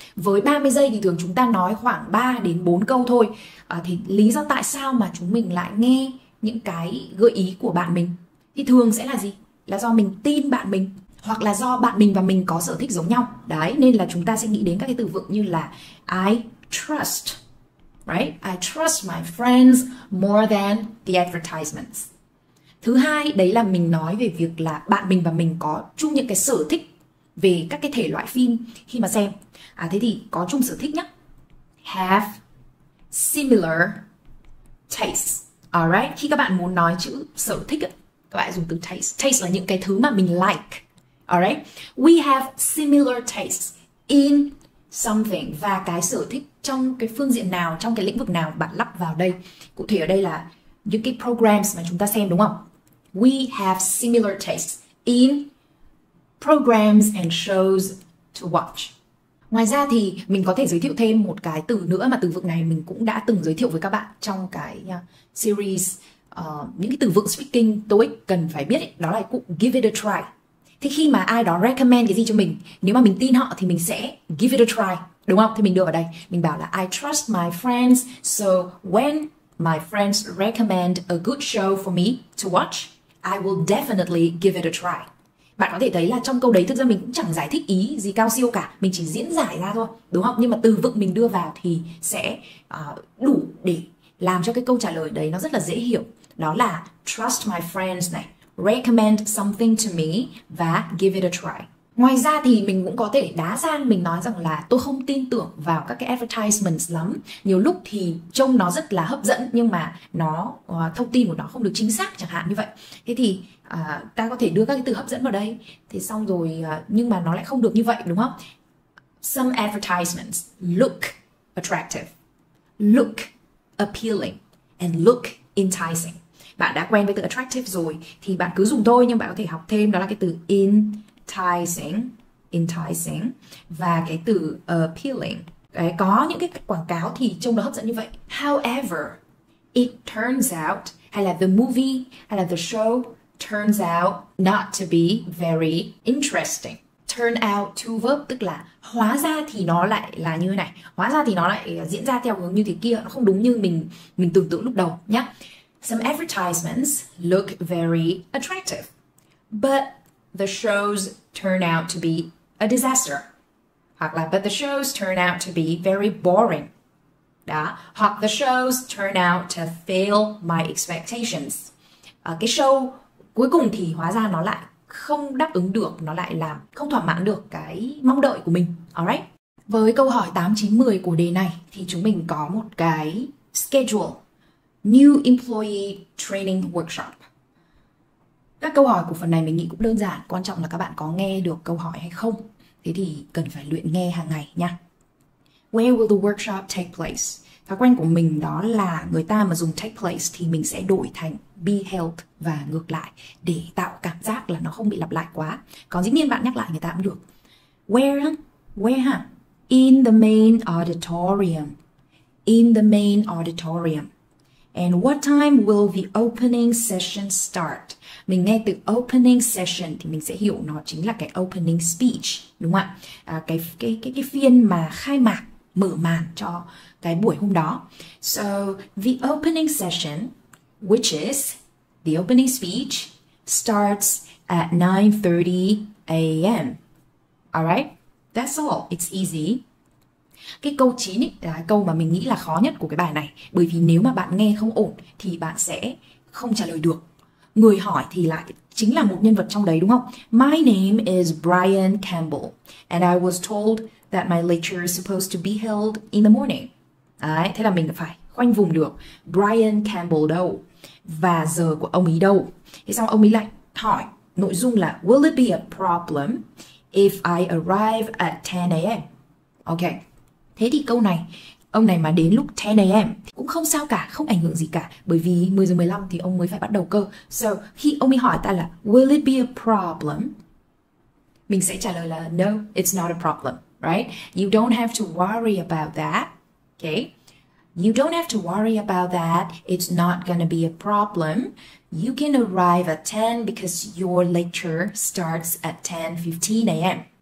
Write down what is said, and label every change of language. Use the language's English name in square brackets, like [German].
[Vietnamese] Với 30 giây thì thường chúng ta nói khoảng 3 đến 4 câu thôi. Thì lý do tại sao mà chúng mình lại nghe những cái gợi ý của bạn mình thì thường sẽ là gì? Là do mình tin bạn mình, hoặc là do bạn mình và mình có sở thích giống nhau. Đấy, nên là chúng ta sẽ nghĩ đến các cái từ vựng như là [English] I trust. Right? I trust my friends more than the advertisements. [Vietnamese] Thứ hai, đấy là mình nói về việc là bạn mình và mình có chung những cái sở thích về các cái thể loại phim khi mà xem. Thế thì có chung sở thích nhá. [English] Have similar taste. Alright? [Vietnamese] Khi các bạn muốn nói chữ sở thích, các bạn dùng từ taste. [English] Taste [Vietnamese] là những cái thứ mà mình [English] like. Alright? We have similar tastes in something. [Vietnamese] Và cái sở thích trong cái phương diện nào, trong cái lĩnh vực nào bạn lắp vào đây. Cụ thể ở đây là những cái programs mà chúng ta xem, đúng không? [English] We have similar tastes in programs and shows to watch. [Vietnamese] Ngoài ra thì mình có thể giới thiệu thêm một cái từ nữa mà từ vựng này mình cũng đã từng giới thiệu với các bạn trong cái series những cái từ vựng speaking TOEIC cần phải biết ấy, đó là cụ [English] give it a try. [Vietnamese] Thì khi mà ai đó recommend cái gì cho mình, nếu mà mình tin họ thì mình sẽ [English] give it a try, [Vietnamese] đúng không? Thì mình đưa vào đây, mình bảo là [English] I trust my friends, so when my friends recommend a good show for me to watch, I will definitely give it a try. [Vietnamese] Bạn có thể thấy là trong câu đấy thực ra mình cũng chẳng giải thích ý gì cao siêu cả, mình chỉ diễn giải ra thôi, đúng không? Nhưng mà từ vựng mình đưa vào thì sẽ đủ để làm cho cái câu trả lời đấy nó rất là dễ hiểu. Đó là [English] trust my friends [Vietnamese] này, [English] recommend something to me [Vietnamese] và [English] give it a try. [Vietnamese] Ngoài ra thì mình cũng có thể đá sang, mình nói rằng là tôi không tin tưởng vào các cái advertisements lắm. Nhiều lúc thì trông nó rất là hấp dẫn nhưng mà nó thông tin của nó không được chính xác chẳng hạn như vậy. Thế thì ta có thể đưa các cái từ hấp dẫn vào đây. Thì xong rồi nhưng mà nó lại không được như vậy, đúng không? [English] Some advertisements look attractive, look appealing and look enticing. [Vietnamese] Bạn đã quen với từ attractive rồi thì bạn cứ dùng thôi, nhưng bạn có thể học thêm, đó là cái từ enticing, enticing, và cái từ appealing. Đấy, có những cái quảng cáo thì trông nó hấp dẫn như vậy. [English] However, it turns out, [Vietnamese] hay là [English] the movie, hay là the show turns out not to be very interesting. [Vietnamese] Turn out to verb tức là hóa ra thì nó lại là như này, hóa ra thì nó lại diễn ra theo hướng như thế kia, nó không đúng như mình tưởng tượng lúc đầu nhá. [English] Some advertisements look very attractive, but the shows turn out to be a disaster. [Vietnamese] Hoặc là [English] but the shows turn out to be very boring. [Vietnamese] Đó. [English] Hoặc the shows turn out to fail my expectations. [Vietnamese] Cái show cuối cùng thì hóa ra nó lại không đáp ứng được, nó lại làm không thỏa mãn được cái mong đợi của mình. [English] Alright. [Vietnamese] Với câu hỏi 8, 9, 10 của đề này thì chúng mình có một cái schedule. [English] New Employee Training Workshop. [Vietnamese] Các câu hỏi của phần này mình nghĩ cũng đơn giản, quan trọng là các bạn có nghe được câu hỏi hay không. Thế thì cần phải luyện nghe hàng ngày nha. [English] Where will the workshop take place? [Vietnamese] Thói quen của mình đó là người ta mà dùng take place thì mình sẽ đổi thành be held và ngược lại để tạo cảm giác là nó không bị lặp lại quá. Còn dĩ nhiên bạn nhắc lại người ta cũng được. [English] Where? Where [Vietnamese] hả? [English] In the main auditorium. In the main auditorium. And what time will the opening session start? [Vietnamese] Mình nghe từ opening session thì mình sẽ hiểu nó chính là cái opening speech, đúng không ạ? À, cái phiên mà khai mạc, mở màn cho cái buổi hôm đó. [English] So, the opening session, which is the opening speech, starts at 9:30 a.m. Alright? That's all. It's easy. [Vietnamese] Cái câu 9 ấy là câu mà mình nghĩ là khó nhất của cái bài này. Bởi vì nếu mà bạn nghe không ổn thì bạn sẽ không trả lời được. Người hỏi thì lại chính là một nhân vật trong đấy, đúng không? [English] My name is Brian Campbell and I was told that my lecture is supposed to be held in the morning. [Vietnamese] Đấy, thế là mình phải khoanh vùng được Brian Campbell đâu và giờ của ông ấy đâu. Thế xong ông ấy lại hỏi nội dung là [English] will it be a problem if I arrive at 10 a.m. Ok. [Vietnamese] Thế thì câu này, ông này mà đến lúc 10 a.m. cũng không sao cả, không ảnh hưởng gì cả. Bởi vì 10:15 thì ông mới phải bắt đầu cơ. So, khi ông ấy hỏi ta là [English] will it be a problem? Mình sẽ trả lời là no, it's not a problem, right? You don't have to worry about that, okay? You don't have to worry about that, it's not gonna be a problem. You can arrive at 10 because your lecture starts at 10:15 a.m.